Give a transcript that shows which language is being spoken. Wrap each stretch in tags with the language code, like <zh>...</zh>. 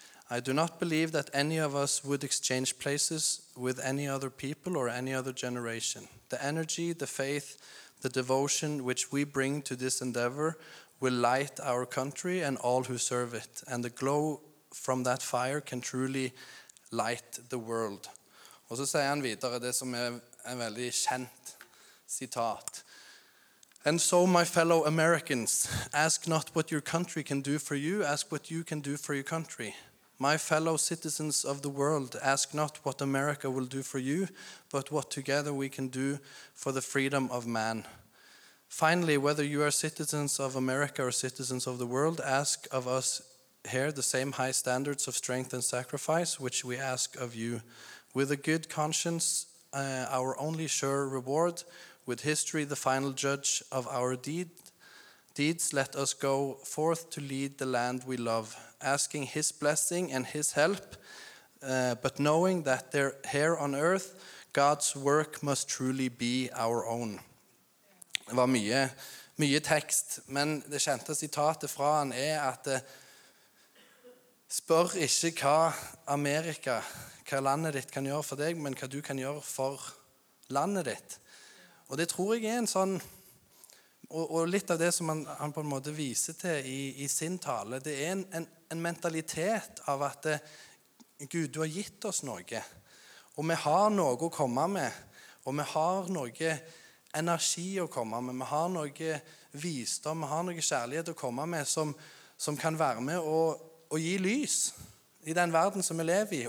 <en>I do not believe that any of us would exchange places with any other people or any other generation. The energy, the faith, the devotion which we bring to this endeavor will light our country and all who serve it, and the glow from that fire can truly light the world.</en> <no>Og så sier han videre det som en veldig kjent sitat.</no> <en>And so, my fellow Americans, ask not what your country can do for you, ask what you can do for your country. My fellow citizens of the world, ask not what America will do for you, but what together we can do for the freedom of man. Finally, whether you are citizens of America or citizens of the world, ask of us here the same high standards of strength and sacrifice which we ask of you. With a good conscience, our only sure reward, with history the final judge of our deeds, let us go forth to lead the land we love, asking his blessing and his help, but knowing that there, here on earth, God's work must truly be our own.</en> <no>Det var mye, mye tekst, men det kjente sitatet fra han at spør ikke hva Amerika, hva landet ditt kan gjøre for deg, men hva du kan gjøre for landet ditt. Og det tror jeg en sånn, og litt av det som han på en måte viser til i sin tale, det en mentalitet av at Gud, du har gitt oss noe, og vi har noe å komme med, og vi har noe energi å komme med, vi har noe visdom, vi har noe kjærlighet å komme med som kan være med og gi lys i den verden som vi lever i.</no>